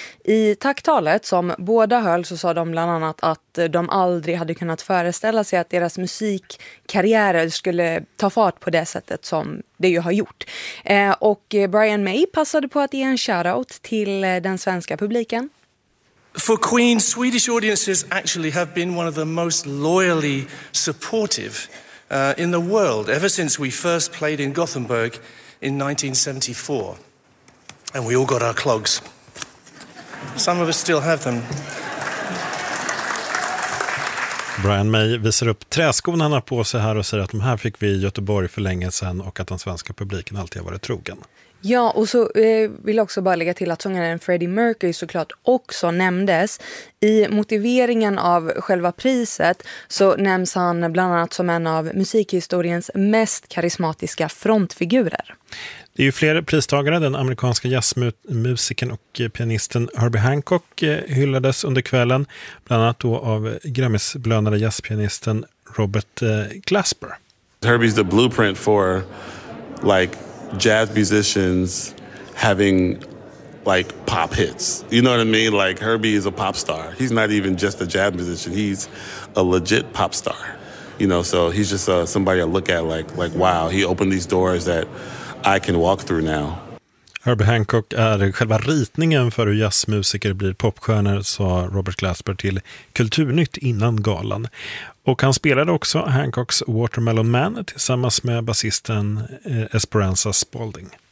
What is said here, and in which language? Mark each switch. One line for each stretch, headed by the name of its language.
Swedish: I tacktalet som båda höll så sa de bland annat att de aldrig hade kunnat föreställa sig att deras musikkarriärer skulle ta fart på det sättet som det ju har gjort. Och Brian May passade på att ge en shoutout till den svenska publiken.
English: For Queen, Swedish audiences actually have been one of the most loyally supportive in the world ever since we first played in Gothenburg in 1974. And we all got our clogs. Some of us still have them.
Swedish: Brian May visar upp träskorna han har på sig här och säger att de här fick vi i Göteborg för länge sedan och att den svenska publiken alltid har varit trogen. Ja, och så vill jag också bara lägga till att sångaren Freddie Mercury såklart också nämndes. I motiveringen av själva priset så nämns han bland annat som en av musikhistoriens mest karismatiska frontfigurer. Det är ju fler pristagare. Den amerikanska jazzmusikern och pianisten Herbie Hancock hyllades under kvällen. Bland annat då av Grammysbelönade jazzpianisten Robert Glasper.
English: Herbie's the blueprint for like jazz musicians having like pop hits. You know what I mean? Like Herbie is a pop star. He's not even just a jazz musician. He's a legit pop star. You know, so he's just somebody I look at like wow, he opened these doors that I can walk through now.
Swedish: Herbie Hancock är själva ritningen för hur jazzmusiker blir popstjärnor, sa Robert Glasper till Kulturnytt innan galan. Och han spelade också Hancocks Watermelon Man tillsammans med basisten Esperanza Spalding.